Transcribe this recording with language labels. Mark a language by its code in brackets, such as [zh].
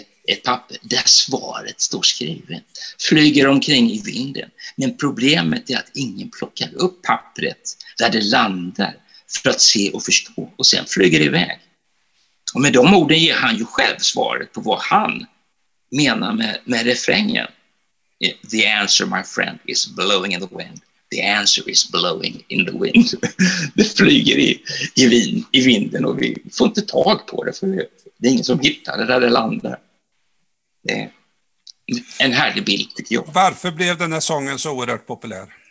[sv] Ett papper där svaret står skrivet flyger omkring i vinden, men problemet är att ingen plockar upp pappret där det landar för att se och förstå, och sen flyger iväg. Och med de orden ger han ju själv svaret på vad han menar med refrängen. [en] The answer, my friend, is blowing in the wind. The answer is blowing in the wind. [sv] Det flyger i vinden och vi får inte tag på det, för det är ingen som hittar det där det landar. En härlig bild, tycker jag. Varför blev den här sången så oerhört populär?